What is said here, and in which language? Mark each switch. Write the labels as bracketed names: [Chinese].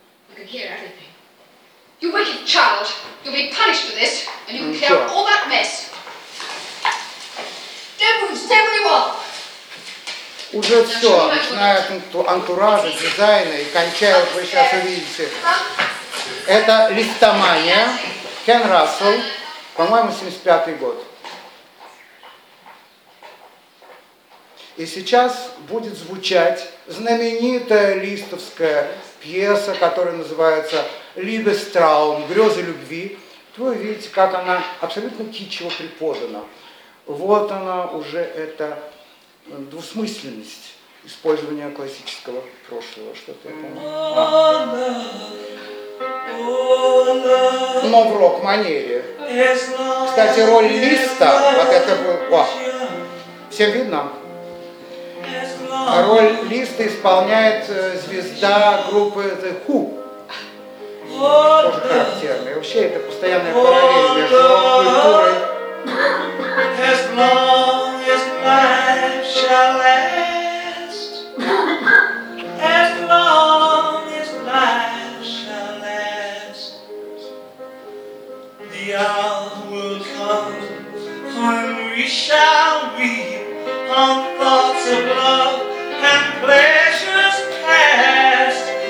[English] You can hear everything. You wicked child! You'll be punished for this, and you'll clear up all that mess. Don't move, stay where you are. [Russian] Уже все, начиная от антуража, дизайна и кончая, вы сейчас увидите. Это «Листомания», Кен Рассел, по-моему, 75-й год. И сейчас будет звучать знаменитая листовская пьеса, которая называется «Либестраум», «Грёзы любви». Вы видите, как она абсолютно китчево преподана. Вот она уже, эта двусмысленность использования классического прошлого. Что-то я помню. Но в рок-манере. Кстати, роль листа, вот это было... Всем видно? Роль листа исполняет звезда группы The Who. Тоже характерно. И вообще это постоянная параллель между рок-культурой. [English] As long as life shall last. As long as life shall last. The hour will come when we shall weep on thoughts of love and pleasures past.